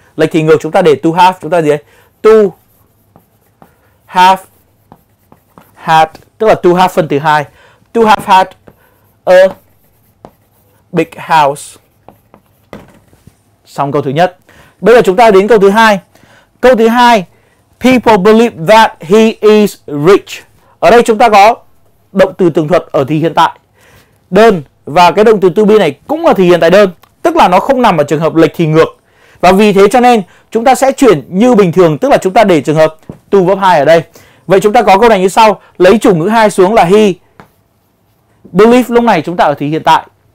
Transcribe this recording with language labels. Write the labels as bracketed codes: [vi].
[vi] Lệch thì ngược chúng ta để to have, chúng ta gì đây? [en] To have had, [vi] tức là to have phân từ 2. [en] To have had a big house. [vi] Xong câu thứ nhất. Bây giờ chúng ta đến câu thứ hai. Câu thứ hai, [en] people believe that he is rich. [vi] Ở đây chúng ta có động từ tường thuật ở thì hiện tại đơn, và cái động từ to be này cũng là thì hiện tại đơn, tức là nó không nằm ở trường hợp lệch thì ngược. Và vì thế cho nên chúng ta sẽ chuyển như bình thường, tức là chúng ta để trường hợp to verb 2 ở đây. Vậy chúng ta có câu này như sau, lấy chủ ngữ 2 xuống là he. Believe lúc này chúng ta ở thì hiện tại.